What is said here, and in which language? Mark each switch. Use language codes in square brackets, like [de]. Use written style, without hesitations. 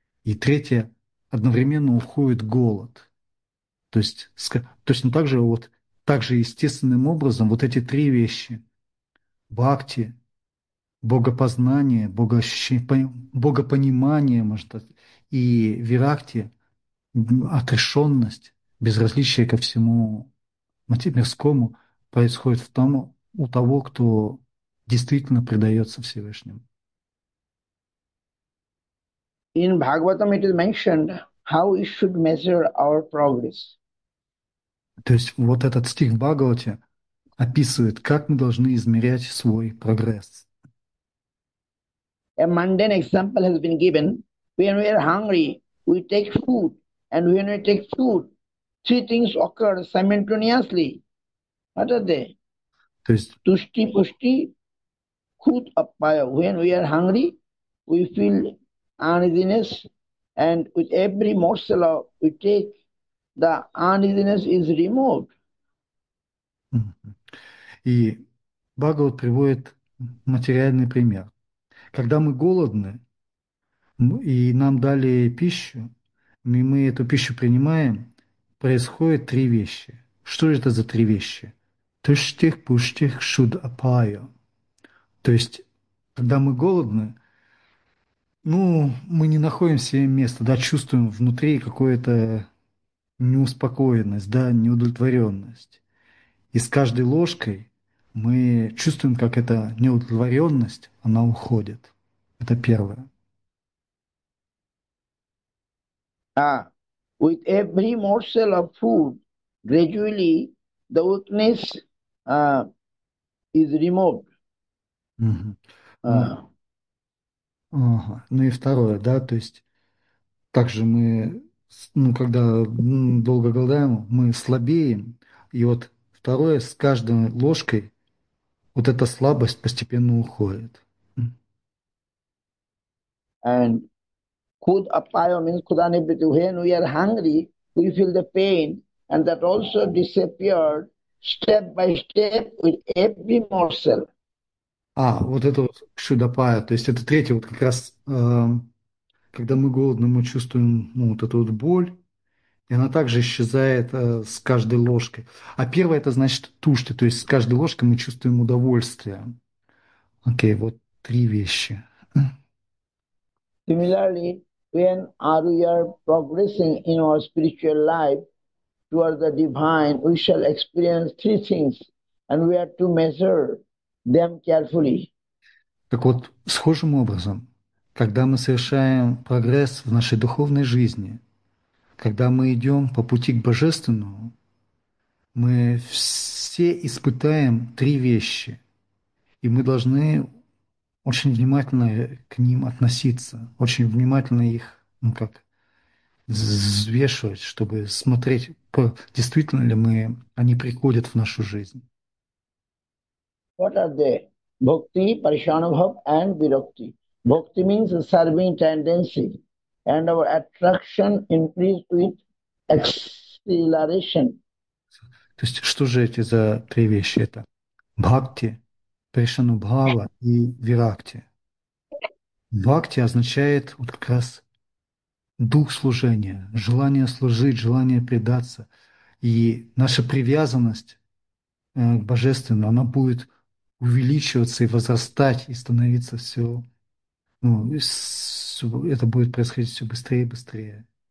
[ru] И третье, одновременно уходит голод. То есть точно так же, вот, так же естественным образом вот эти три вещи – бхакти, богопознание, богопонимание, может быть, и виракти – отрешенность, безразличие ко всему мирскому происходит у того, кто действительно предается Всевышнему. [en] In Bhagavatam, it is mentioned how we should measure our progress. [ru] То есть вот этот стих в Бхагавате описывает, как мы должны измерять свой прогресс. [en] A mundane example has been given. When we are hungry, we take food. And when we take food, three things occur simultaneously. What are they? [ru] То есть [sa] Tushti, pushti, khut, appaya. [en] When we are hungry, we feel uneasiness, and with every morsel we take, the uneasiness is removed. [ru] И Бхагавад приводит материальный пример. Когда мы голодны, и нам дали пищу, и мы эту пищу принимаем, происходят три вещи. Что же это за три вещи? Тыштих, пуштих, шуд апаю. То есть, когда мы голодны, ну, мы не находим себе места, да, чувствуем внутри какую-то неуспокоенность, да, неудовлетворенность. И с каждой ложкой мы чувствуем, как эта неудовлетворенность, она уходит. Это первое. [en] With every morsel of food, gradually the weakness is removed. [ru] Ну и второе, да, то есть также мы, ну, когда долго голодаем, мы слабеем, и вот второе, с каждой ложкой вот эта слабость постепенно уходит. [en] And could appear means could anybody, when we are hungry, we feel the pain, and that also disappeared step by step with every morsel. [ru] А, вот это вот шудапая, то есть это третье, вот как раз, когда мы голодны, мы чувствуем, ну, вот эту вот боль, и она также исчезает с каждой ложкой. А первое, это значит тушти, то есть с каждой ложкой мы чувствуем удовольствие. Окей, вот три вещи. [en] Similarly, when are we are progressing in our spiritual life toward the divine, we shall experience three things, and we are to measure them carefully. [ru] Так вот, схожим образом, когда мы совершаем прогресс в нашей духовной жизни, когда мы идем по пути к Божественному, мы все испытаем три вещи, и мы должны очень внимательно к ним относиться, очень внимательно их, ну, как взвешивать, чтобы смотреть, действительно ли мы, они приходят в нашу жизнь. [en] What are they? Bhakti, Parishanubhav, and Virakti. Bhakti means a serving tendency, and our attraction increased with acceleration. [ru] То есть, что же эти за три вещи? Это бхакти, прешанубхава и виракти. Бхакти означает вот как раз дух служения, желание служить, желание предаться. И наша привязанность к Божественному, она будет увеличиваться и возрастать, и становиться все, ну, это будет происходить все быстрее и быстрее.